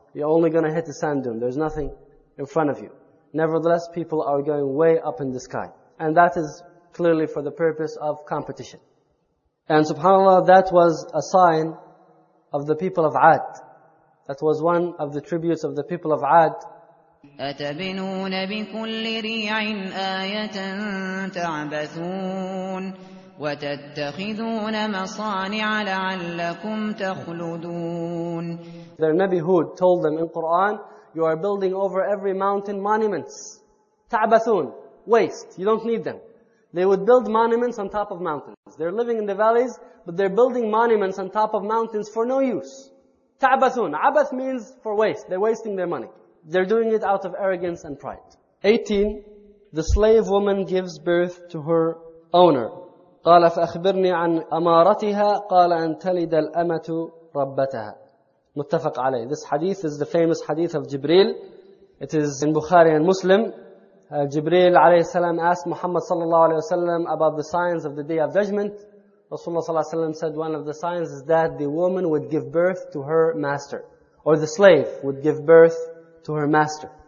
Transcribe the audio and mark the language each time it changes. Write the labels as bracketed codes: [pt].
[en] You're only gonna hit the sand dune. There's nothing in front of you. Nevertheless, people are going way up in the sky. And that is clearly for the purpose of competition. And subhanAllah, that was a sign of the people of Ad. That was one of the tributes of the people of Ad, [ar] أتبنون بكل ريع آية تعبثون وتتخذون مصانع لعلكم تخلدون. [en] Their Nabi Hud told them in Quran, you are building over every mountain monuments. تعبثون, waste, you don't need them. They would build monuments on top of mountains. They're living in the valleys, but they're building monuments on top of mountains for no use. تعبثون, عبث means for waste, they're wasting their money. They're doing it out of arrogance and pride. 18, the slave woman gives birth to her owner. [ar] قال فأخبرني عن أمارتها قال أن تلد الأمة ربتها. متفق عليه. [en] This hadith is the famous hadith of Jibreel. It is in Bukhari and Muslim. Jibreel [ar] عليه السلام [en] asked Muhammad [ar] صلى الله عليه وسلم [en] about the signs of the Day of Judgment. Rasulullah [ar] صلى الله عليه وسلم [en] said one of the signs is that the woman would give birth to her master, or the slave would give birth to her master.